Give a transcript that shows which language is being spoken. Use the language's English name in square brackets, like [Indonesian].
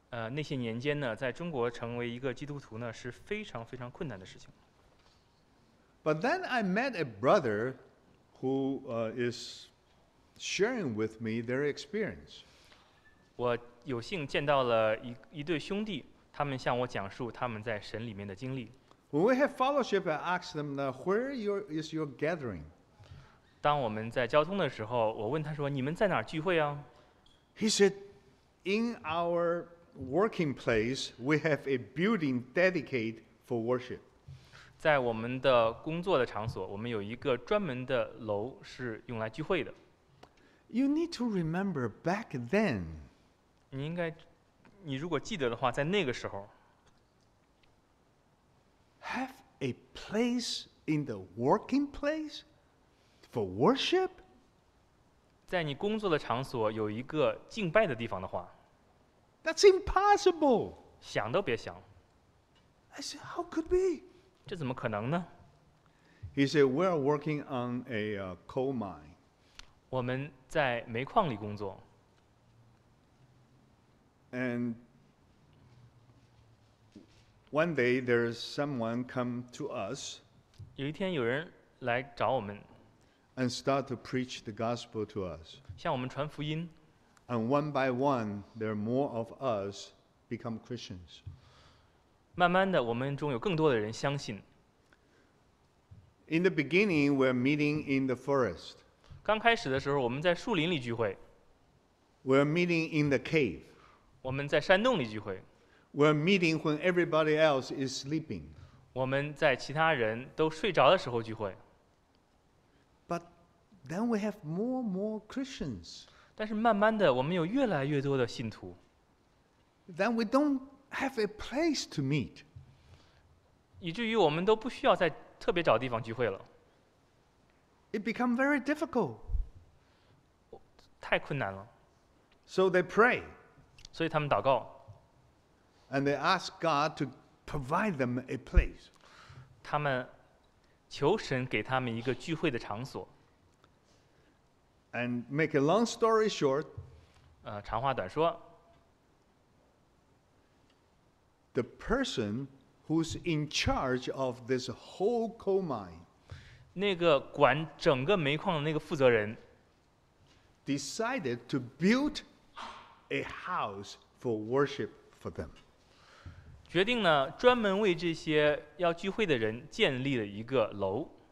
[Chinese] 那些年间呢，在中国成为一个基督徒呢，是非常非常困难的事情。 [English] But then I met a brother who is sharing with me their experience. [Chinese] 我有幸见到了 一对兄弟，他们向我讲述他们在神里面的经历。 [English] When we have fellowship, I asked them, where is your gathering? [Chinese] 当我们在交通的时候，我问他说，你们在哪儿聚会啊？ [English] He said, in our working place, we have a building dedicated for worship. [Chinese] 在我们的工作的场所，我们有一个专门的楼是用来聚会的。 [English] You need to remember back then. [Chinese] 你应该，你如果记得的话，在那个时候。 [English] Have a place in the working place for worship? [Chinese] 在你工作的场所有一个敬拜的地方的话。 [English] That's impossible. [Chinese] 想都别想。 [English] I said, how could be? [Chinese] 这怎么可能呢？ [English] He said, we are working on a coal mine. [Chinese] 我们在煤矿里工作。 [English] And one day there's someone come to us. [Chinese] 有一天有人来找我们。 [English] And start to preach the gospel to us. [Chinese] 向我们传福音。 [English] And one by one, there are more of us become Christians. [Chinese] 慢慢的，我们中有更多的人相信。 [English] In the beginning, we're meeting in the forest. [Chinese] 刚开始的时候，我们在树林里聚会。 [English] We're meeting in the cave. [Chinese] 我们在山洞里聚会。 [English] We're meeting when everybody else is sleeping. [Chinese] 我们在其他人都睡着的时候聚会。 [English] But then we have more and more Christians. [Chinese] 但是慢慢的，我们有越来越多的信徒。 [English] Then we don't have a place to meet. [Chinese] 以至于我们都不需要再特别找地方聚会了。 [English] It become very difficult. [Chinese] 太困难了。 [English] So they pray. [Chinese] 所以他们祷告。 [English] And they ask God to provide them a place. [Chinese] 他们求神给他们一个聚会的场所。 [English] And make a long story short. [Chinese] 长话短说。 [English] The person who's in charge of this whole coal mine. [Chinese] 那个管整个煤矿的那个负责人。 [English] Decided to build a house for worship for them. [Chinese] 决定呢，专门为这些要聚会的人建立了一个楼。